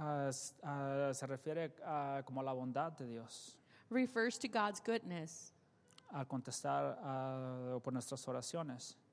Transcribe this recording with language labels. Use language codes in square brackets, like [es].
[es] Se refiere a como la bondad de Dios. [en] Refers to God's goodness. [es] A contestar por nuestras oraciones.